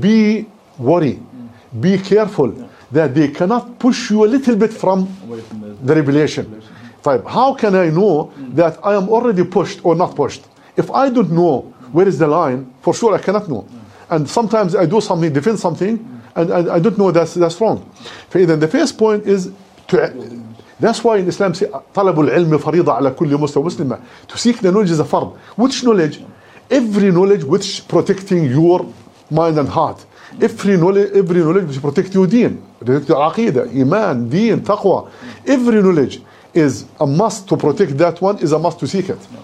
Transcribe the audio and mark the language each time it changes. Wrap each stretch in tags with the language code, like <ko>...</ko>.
<en>Be worried, be careful that they cannot push you a little bit from the revelation. Type, how can I know that I am already pushed or not pushed? If I don't know where is the line, for sure I cannot know. And sometimes I do something, defend something, and I don't know that's wrong. Then the first point is to. That's why in Islam say</en> <ar>طلب العلم فريضة على كل مسلم ومسلمة.</ar> <en>To seek the knowledge is a fard. Which knowledge? Every knowledge which protecting your mind and heart. Every knowledge which protect your deen, protect your aqidah, iman, deen, taqwa. Every knowledge is a must to protect that one, is a must to seek it.</en>